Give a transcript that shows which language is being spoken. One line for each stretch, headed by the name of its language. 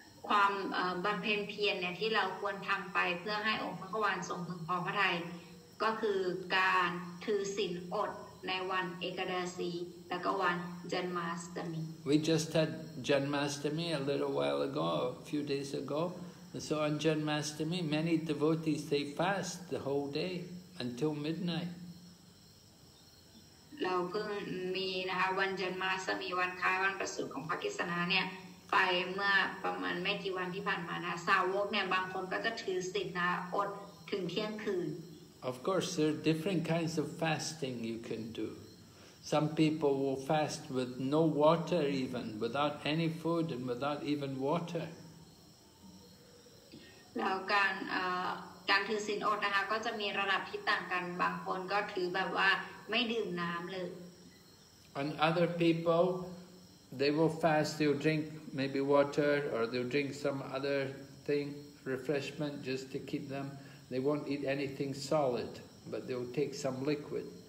Thai: ความบำเพ็ญเพียรเนี่ยที่เราควรทำไปเพื่อให้องค์พระกวานทรงพึงพอพระทัยก็คือการถือศีลอดในวันเอกาดาสีแล้วก็วันจันมาสตมี
English: We just had Janmashtami a little while ago, a few days ago. So on Janmashtami, many devotees they fast the whole day until midnight.
Thai: เราเพิ่งมีนะคะวันจันมาสตมีวันคล้ายวันประสูติของพระกฤษณาเนี่ยไปเมื่อประมาณไม่กี่วันที่ผ่านมานะสาวกเนี่ยบางคนก็จะถือศีลนะอดถึงเที่ยงคืน
English: Of course there are different kinds of fasting you can do Some people will fast with no water even without any food and without even water
Thai: แล้วการถือศีลอดนะคะก็จะมีระดับที่ต่างกันบางคนก็ถือแบบว่าไม่ดื่มน้ำเลย
English: And other people they will fast they'll drinkMaybe water, or they'll drink some other thing, refreshment, just to keep them. They won't eat anything solid, but they'll take some liquid.